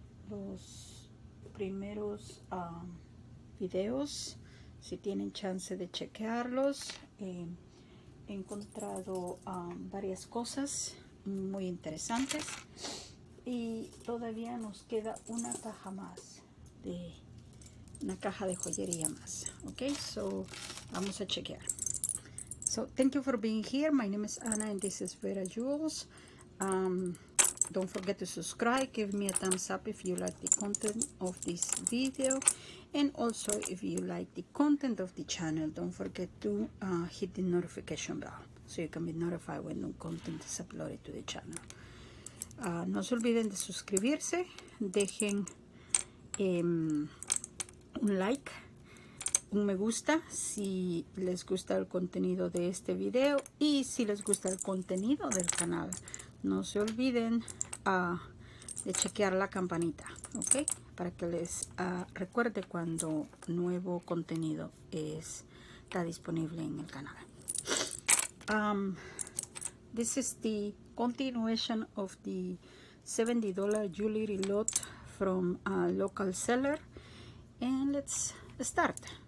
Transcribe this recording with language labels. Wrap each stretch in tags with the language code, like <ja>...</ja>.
<es>Los primeros videos, si tienen chance de chequearlos, he encontrado varias cosas muy interesantes y todavía nos queda una caja más, de una caja de joyería más.</es> <en>Okay, so</en> <es>vamos a chequear.</es> <en>So thank you for being here. My name is Anna and this is Vera Jewels. Don't forget to subscribe, give me a thumbs up if you like the content of this video, and also if you like the content of the channel, don't forget to hit the notification bell so you can be notified when new content is uploaded to the channel.</en> <es>No se olviden de suscribirse, dejen un like, un me gusta si les gusta el contenido de este video, y si les gusta el contenido del canal, no se olviden de chequear la campanita, ok, para que les recuerde cuando nuevo contenido está disponible en el canal.</es> <en>This is the continuation of the $70 jewelry lot from a local seller, and let's start.</en>